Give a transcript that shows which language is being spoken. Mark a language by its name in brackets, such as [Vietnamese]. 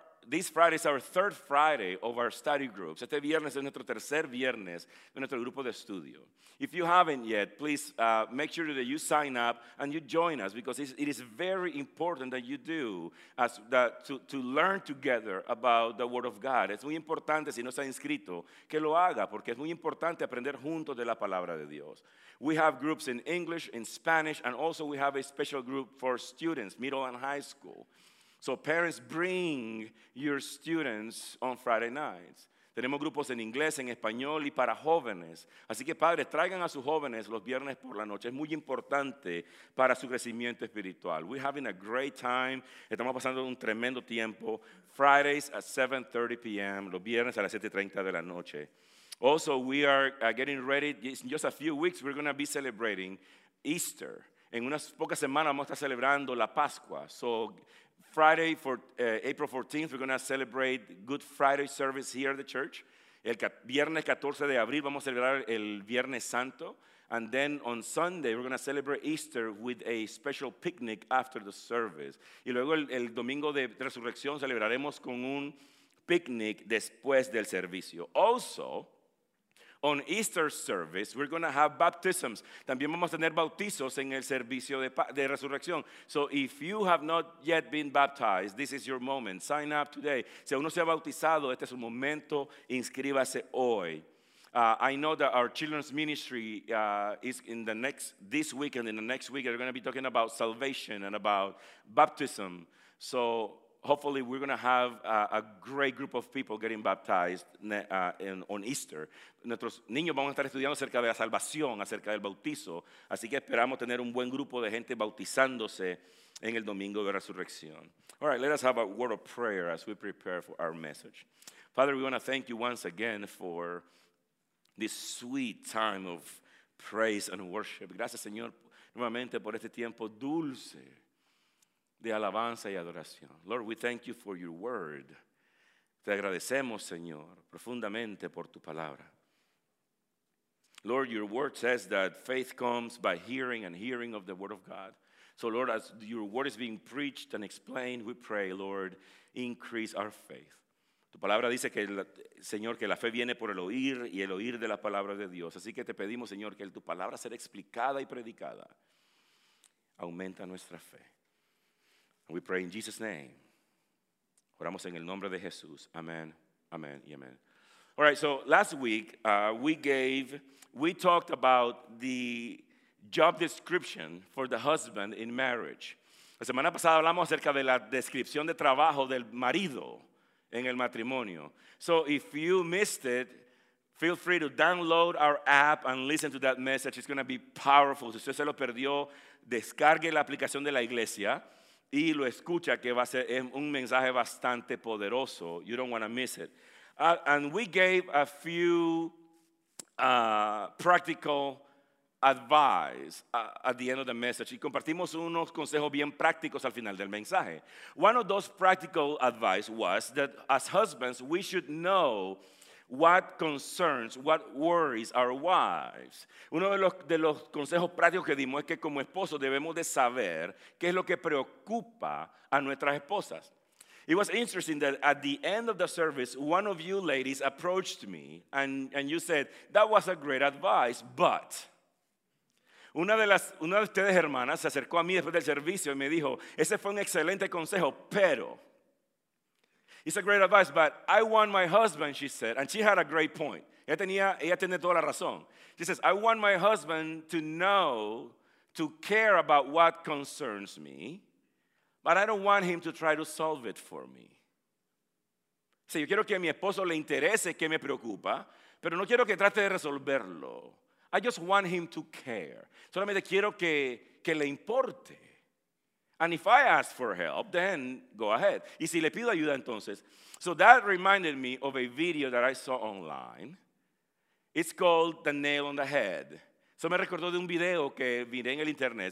[English] This Friday is our third Friday of our study groups. [Spanish] Este viernes es nuestro tercer viernes de nuestro grupo de estudio. [English] If you haven't yet, please make sure that you sign up and you join us because it is very important that you do to learn together about the Word of God. [Spanish] Es muy importante, si no se ha inscrito, que lo haga porque es muy importante aprender juntos de la Palabra de Dios. [English] We have groups in English, in Spanish, and also we have a special group for students, middle and high school. So parents, bring your students on Friday nights. [Spanish] Tenemos grupos en inglés, en español y para jóvenes. Así que padres, traigan a sus jóvenes los viernes por la noche. Es muy importante para su crecimiento espiritual. [English] We're having a great time. [Spanish] Estamos pasando un tremendo tiempo. [English] Fridays at 7:30 p.m., [Spanish] los viernes a las 7:30 de la noche. [English] Also, we are getting ready. In just a few weeks, we're going to be celebrating Easter. [Spanish] En unas pocas semanas vamos a estar celebrando la Pascua. [English] So Friday, for April 14th, we're going to celebrate Good Friday service here at the church. [Spanish] El viernes 14 de abril, vamos a celebrar el Viernes Santo. [English] And then on Sunday, we're going to celebrate Easter with a special picnic after the service. [Spanish] Y luego el domingo de resurrección, celebraremos con un picnic después del servicio. [English] Also, on Easter service, we're going to have baptisms. [Spanish] También vamos a tener bautizos en el servicio de resurrección. [English] So if you have not yet been baptized, this is your moment. Sign up today. [Spanish] Si aún no se ha bautizado, este es su momento. Inscríbase hoy. [English] I know that our children's ministry is in the next, this week and in the next week, they're going to be talking about salvation and about baptism. So hopefully, we're going to have a great group of people getting baptized on Easter. [Spanish] Nuestros niños van a estar estudiando acerca de la salvación, acerca del bautizo. Así que esperamos tener un buen grupo de gente bautizándose en el domingo de resurrección. [English] All right, let us have a word of prayer as we prepare for our message. Father, we want to thank you once again for this sweet time of praise and worship. [Spanish] Gracias, Señor, nuevamente por este tiempo dulce de alabanza y adoración. [English] Lord, we thank you for your word. [Spanish] Te agradecemos, Señor, profundamente por tu palabra. [English] Lord, your word says that faith comes by hearing and hearing of the word of God. So, Lord, as your word is being preached and explained, we pray, Lord, increase our faith. [Spanish] Tu palabra dice que, Señor, que la fe viene por el oír y el oír de la palabra de Dios. Así que te pedimos, Señor, que tu palabra sea explicada y predicada. Aumenta nuestra fe. [English] We pray in Jesus' name. [Spanish] Oramos en el nombre de Jesús. Amen, amen, y amen. [English] All right, so last week we talked about the job description for the husband in marriage. [Spanish] La semana pasada hablamos acerca de la descripción de trabajo del marido en el matrimonio. [English] So if you missed it, feel free to download our app and listen to that message. It's going to be powerful. [Spanish] Si usted se lo perdió, descargue la aplicación de la iglesia y lo escucha, que va a ser un mensaje bastante poderoso. [English] You don't want to miss it. And we gave a few practical advice at the end of the message. [Spanish] Y compartimos unos consejos bien prácticos al final del mensaje. [English] One of those practical advice was that as husbands, we should know what concerns, what worries our wives. [Spanish] Uno de los consejos prácticos que dimos es que como esposos debemos de saber qué es lo que preocupa a nuestras esposas. [English] It was interesting that at the end of the service, one of you ladies approached me and you said, that was a great advice, but [Spanish] una de ustedes hermanas se acercó a mí después del servicio y me dijo, ese fue un excelente consejo, pero [English] It's a great advice, but I want my husband, she said, and she had a great point. [Spanish] Ella tenía toda la razón. [English] She says, I want my husband to know, to care about what concerns me, but I don't want him to try to solve it for me. [Spanish] Sí, yo quiero que a mi esposo le interese qué me preocupa, pero no quiero que trate de resolverlo. [English] I just want him to care. [Spanish] Solamente quiero que le importe. [English] And if I ask for help, then go ahead. [Spanish] Y si le pido ayuda, entonces. [English] So that reminded me of a video that I saw online. It's called The Nail on the Head. [Spanish] Eso me recordó de un video que vi en el internet.